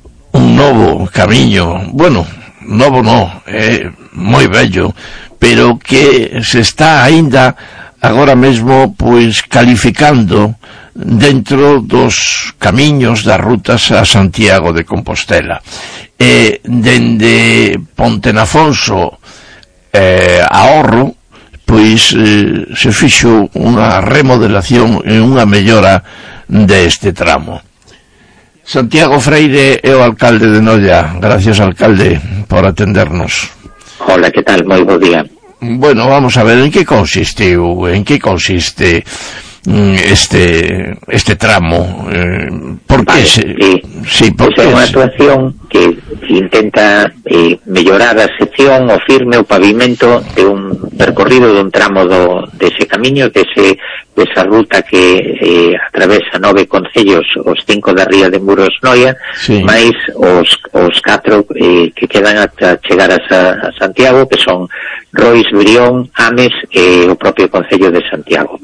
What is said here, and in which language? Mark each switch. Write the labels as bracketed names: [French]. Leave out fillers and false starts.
[Galician] Un novo camiño, bueno, novo no, moi bello, pero que se está aínda agora mesmo pois calificando dentro dos camiños das rutas a Santiago de Compostela. E dende Ponte Nafonso a Horro, pois se fixo unha remodelación e unha mellora deste tramo. Santiago Freire é o alcalde de Noia. [Spanish] Gracias, alcalde, por atendernos. Hola, que tal? [Galician] Moi bo día. Bueno, vamos a ver en que consistiu, en que consiste este tramo, porque vale, porque é unha actuación que intenta mellorar a sección, o firme, o pavimento de un percorrido de un tramo de ese camiño, de esa ruta que atravesa 9 concellos, os 5 da Ría de Muros Noia, sí, máis os 4 que quedan a chegar a Santiago, que son Rois, Brión, Ames e o propio concello de Santiago.